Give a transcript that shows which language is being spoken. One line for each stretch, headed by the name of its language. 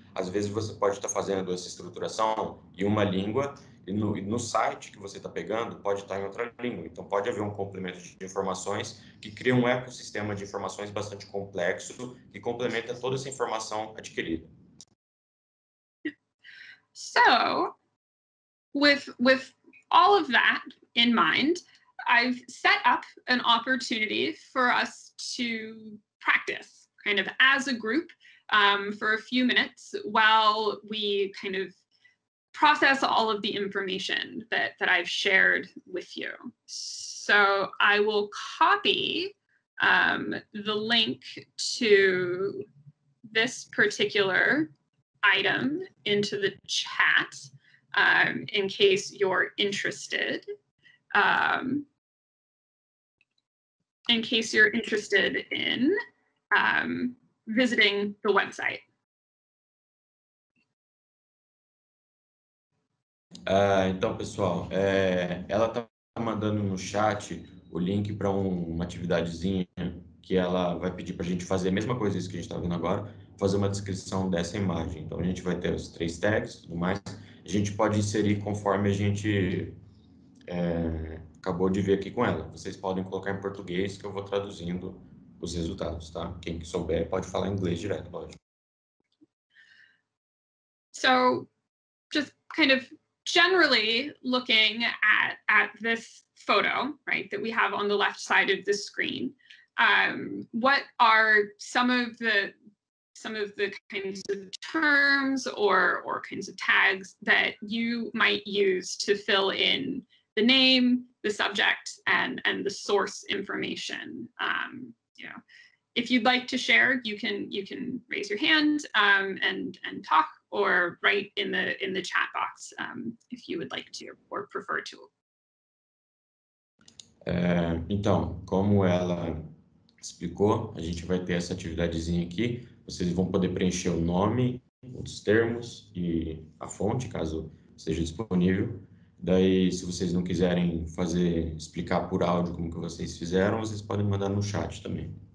Portuguese: Às vezes você pode estar fazendo essa estruturação em uma língua e no site que você está pegando pode estar em outra língua. Então pode haver um complemento de informações que cria um ecossistema de informações bastante complexo que complementa toda essa informação adquirida.
English: So, with all of that in mind, I've set up an opportunity for us to practice kind of as a group for a few minutes while we kind of process all of the information that I've shared with you. So I will copy the link to this particular item into the chat in case you're interested. In case you're interested in visiting the website.
Portuguese: Então, pessoal, ela está mandando no chat o link para uma atividadezinha que ela vai pedir para a gente fazer a mesma coisa que a gente está vendo agora, fazer uma descrição dessa imagem. Então, a gente vai ter os três tags e tudo mais. A gente pode inserir conforme a gente... acabou de ver aqui com ela. Vocês podem colocar em português que eu vou traduzindo os resultados, tá? Quem souber pode falar inglês direto, lógico.
English: So, just kind of generally looking at this photo, right, that we have on the left side of the screen, what are some of the kinds of terms or kinds of tags that you might use to fill in the name, the subject, and the source information. If you'd like to share, you can raise your hand and talk, or write in the chat box if you would like to or prefer to.
Portuguese: Então, como ela explicou, a gente vai ter essa atividadezinha aqui. Vocês vão poder preencher o nome, os termos e a fonte, caso seja disponível. Daí, se vocês não quiserem explicar por áudio como que vocês fizeram, vocês podem mandar no chat também.